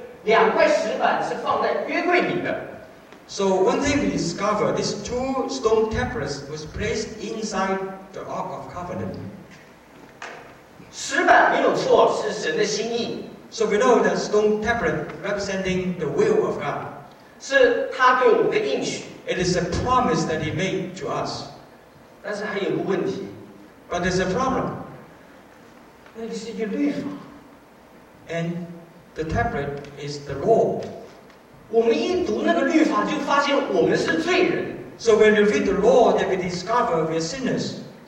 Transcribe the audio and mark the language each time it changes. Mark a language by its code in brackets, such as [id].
[zh] 第二个我们看见这个里面有一件事情就是两块石板是放在约柜里的. [en] So one thing we discover, these two stone tablets was placed inside the Ark of Covenant. [zh] 石板没有错,是神的心意. [en] So we know that stone tablet representing the will of God. [zh] 是他对我们的应许. [en] It is a promise that he made to us. [zh] 但是还有个问题. [en] But there's a problem. [zh] 那是一个律法. [en] And the tablet is the law. [zh] 我们一读那个律法就发现我们是罪人. [en] So when we read the law, then we discover we are sinners.